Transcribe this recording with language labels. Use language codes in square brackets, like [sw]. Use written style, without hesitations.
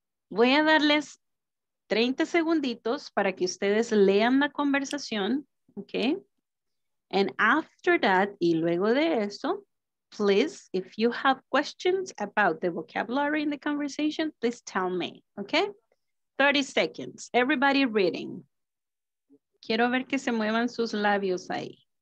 [es] Voy a darles 30 segunditos para que ustedes lean la conversación, okay? [en] And after that, [es] y luego de eso, [en] please, if you have questions about the vocabulary in the conversation, please tell me, okay? 30 seconds, everybody reading. [es] Quiero ver que se muevan sus labios ahí.